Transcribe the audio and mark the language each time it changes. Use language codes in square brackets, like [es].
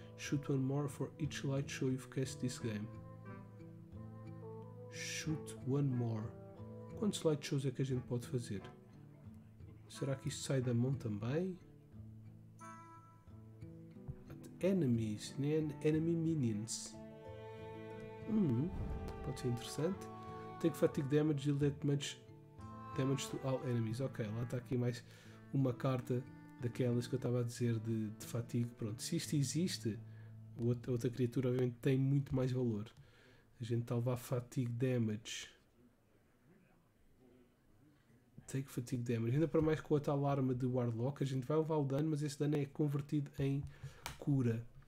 [en] Shoot 1 more for each light show you've cast this game. Shoot 1 more. [pt] Quantos light shows é que a gente pode fazer? Será que isto sai da mão também? Enemies, nem enemy minions. Pode ser interessante. [en] Take fatigue damage, deal that much damage to all enemies. [pt] Ok, lá está aqui mais uma carta daquelas que eu estava a dizer de fatigue. Pronto, se isto existe, outra criatura obviamente tem muito mais valor. A gente está a levar fatigue damage. [en] Take fatigue damage. [pt] Ainda para mais com a tal arma de Warlock, a gente vai levar o dano, mas esse dano é convertido em cura.